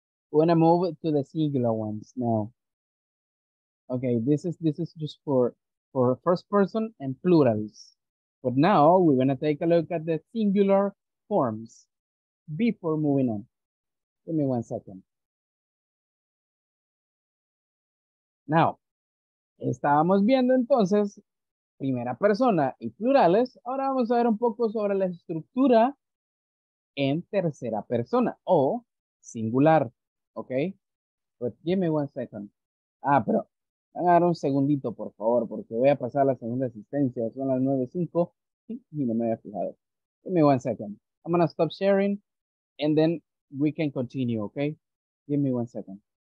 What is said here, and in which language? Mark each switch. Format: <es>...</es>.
<en>We're gonna move to the singular ones now. Okay, this is just for first person and plurals. But now we're gonna take a look at the singular forms before moving on. Give me 1 second.</en> <es>Now, estábamos viendo entonces primera persona y plurales. Ahora vamos a ver un poco sobre la estructura en tercera persona o singular.</es> <en>Okay, but give me 1 second.</en> <es>Ah, pero van a dar un segundito, por favor, porque voy a pasar a la segunda asistencia. Son las 9:05 y no me había fijado.</es> <en>Give me 1 second. I'm gonna stop sharing and then we can continue, okay? Give me 1 second.</en>